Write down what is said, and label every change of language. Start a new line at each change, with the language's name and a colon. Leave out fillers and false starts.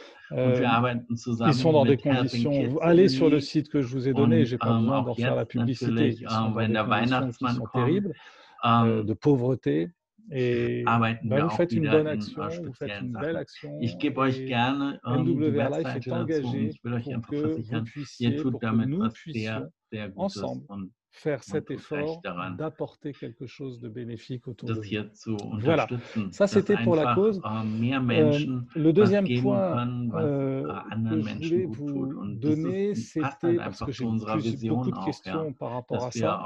French: Ils sont dans des conditions. Vous allez sur le site que je vous ai donné, je n'ai pas besoin d'en faire la publicité. Ils sont terribles, de pauvreté. Et ben vous faites une bonne action,
German: Ich gebe euch gerne die Webseite dazu. Ich will euch einfach versichern, ihr tut damit was sehr, sehr Gutes.
French: Faire cet effort d'apporter quelque chose de bénéfique autour
German: das
French: de vous.
German: Zu
French: voilà, ça c'était pour la cause. Le deuxième point que je voulais vous donner, c'était parce que j'ai beaucoup de questions par rapport à ça.